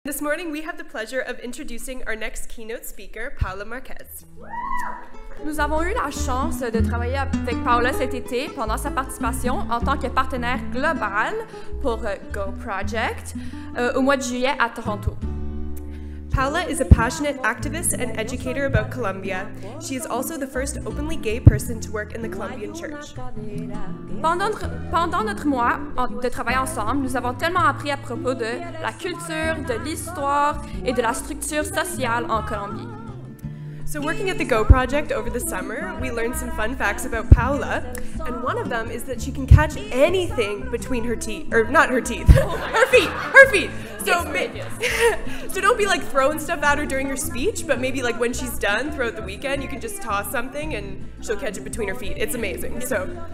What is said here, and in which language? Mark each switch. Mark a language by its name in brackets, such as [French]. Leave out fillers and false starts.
[English] This morning, we have the pleasure of introducing our next keynote speaker, Paola Márquez. [French] Nous avons eu la chance de travailler avec Paola cet été pendant sa participation en tant que partenaire global pour Go Project au mois de juillet à Toronto. [English] Paola is a passionate activist and educator about Colombia. She is also the first openly gay person to work in the Colombian Church. [French] Pendant notre mois de travail ensemble, nous avons tellement appris à propos de la culture, de l'histoire et de la structure sociale en Colombie. [English] So working at the Go Project over the summer, we learned some fun facts about Paola, and one of them is that she can catch anything between her teeth, or not her teeth, her feet. So don't be like throwing stuff at her during her speech, but maybe like when she's done throughout the weekend, you can just toss something and she'll catch it between her feet. It's amazing. So.